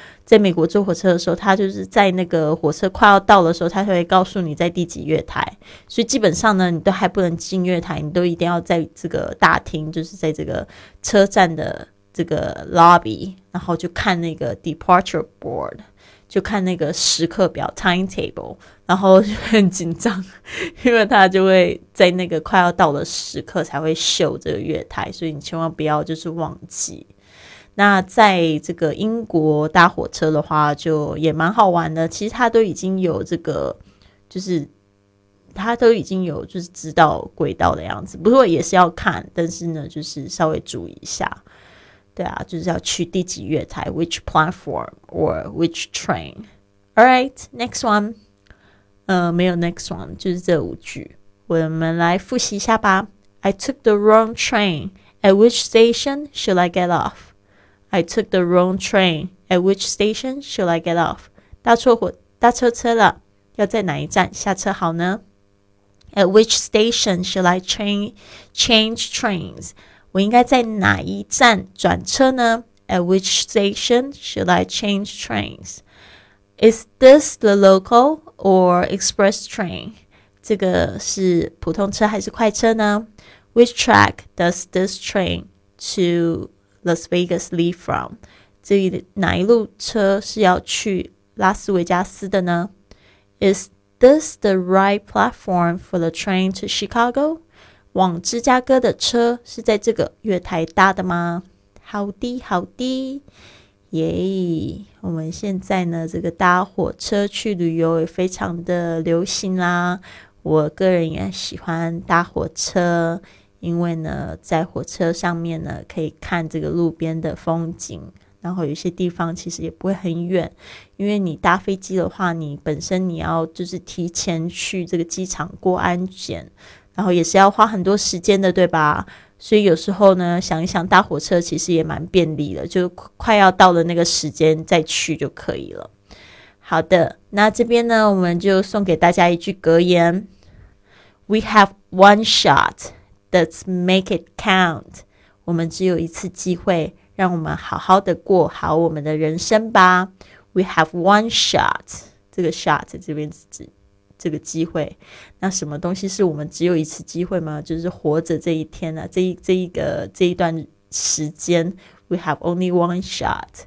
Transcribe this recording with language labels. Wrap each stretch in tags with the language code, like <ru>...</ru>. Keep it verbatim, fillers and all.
<zh>在美国坐火车的时候，他就是在那个火车快要到的时候，他会告诉你在第几月台，所以基本上呢你都还不能进月台，你都一定要在这个大厅，就是在这个车站的这个 lobby， 然后就看那个 departure board， 就看那个时刻表 timetable， 然后就很紧张，因为他就会在那个快要到的时刻才会秀这个月台，所以你千万不要就是忘记。那在这个英国搭火车的话就也蛮好玩的，其实他都已经有这个就是他都已经有就是知道轨道的样子，不过也是要看，但是呢就是稍微注意一下。对啊，就是要去第几月台</zh> <en>which platform or which train. Alright, next one.</en> <zh>呃，没有</zh> <en>next one，</en> <zh>就是这五句。我们来复习一下吧。</zh> <en>I took the wrong train. At which station should I get off? I took the wrong train. At which station should I get off?</en> <zh>搭错火搭错车了，要在哪一站下车好呢？</zh> <en>At which station should I change, change trains?</en> <zh>我应该在哪一站转车呢？</zh> <en>At which station should I change trains? Is this the local or express train?</en> <zh>这个是普通车还是快车呢？</zh> <en>Which track does this train to Las Vegas leave from?</en> <zh>这里哪一路车是要去拉斯维加斯的呢？</zh> <en>Is this the right platform for the train to Chicago?</en> <zh>往芝加哥的车是在这个月台搭的吗？好的好的耶，我们现在呢这个搭火车去旅游也非常的流行啦，我个人也喜欢搭火车，因为呢在火车上面呢可以看这个路边的风景，然后有些地方其实也不会很远，因为你搭飞机的话，你本身你要就是提前去这个机场过安检，然后也是要花很多时间的，对吧？所以有时候呢想一想搭火车其实也蛮便利的，就快要到了那个时间再去就可以了。好的，那这边呢我们就送给大家一句格言。</zh> <en>We have one shot, let's make it count.</en> <zh>我们只有一次机会，让我们好好的过好我们的人生吧。</zh> <en>We have one shot.</en> <zh>这个 shot 这边指这个机会，那什么东西是我们只有一次机会吗？就是活着这一天啊，这一这一个这一段时间 ，</zh> <en>we have only one shot.</en>